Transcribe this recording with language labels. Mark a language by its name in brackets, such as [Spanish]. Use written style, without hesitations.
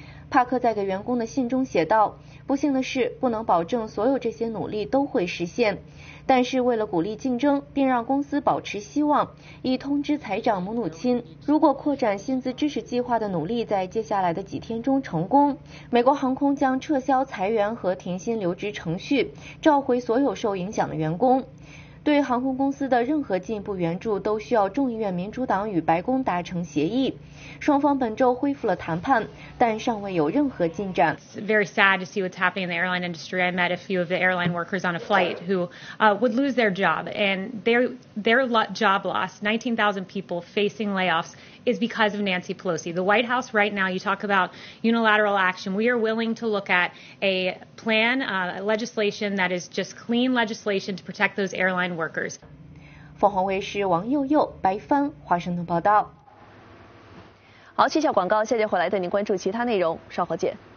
[Chinese] 帕克在给员工的信中写道，不幸的是不能保证所有这些努力都会实现，但是为了鼓励竞争并让公司保持希望，已通知财长姆努钦，如果扩展薪资支持计划的努力在接下来的几天中成功，美国航空将撤销裁员和停薪留职程序，召回所有受影响的员工。对航空公司的任何进一步援助都需要众议院民主党与白宫达成协议，双方本周恢复了谈判，但尚未有任何进展。 [English] It's very sad to see what's happening in the airline industry. I met a few of the airline workers on a flight who would lose their job, and their job loss, 19,000 people facing layoffs, is because of Nancy Pelosi. The White House right now, you talk about unilateral action. We are willing to look at a plan, legislation that is just clean legislation to protect those airline workers. [Chinese] 凤凰卫视王佑佑、白帆，华盛顿报道。好，谢谢广告，下节回来带您关注其他内容，稍后见。